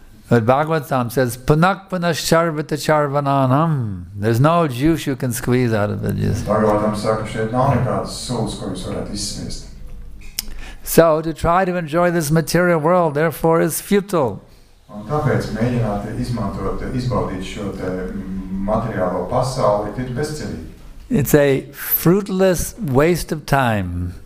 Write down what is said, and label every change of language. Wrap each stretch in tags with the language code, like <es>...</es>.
<en>But Bhagavatam says,</en> <sa>punak punash charvata charvananam.</sa> <en>There's no juice you can squeeze out of it.</en> <lv>Bhagavatam saka, šeit nav nekādas sūles, ko jūs varētu izsmiest.</lv> <en>So to try to enjoy this material world, therefore, is futile.</en> <lv>Un tāpēc mēģināt izmantot, izbaudīt šo materiālo pasauli, ir bezcerīgi.</lv> <en>It's a fruitless waste of time.</en>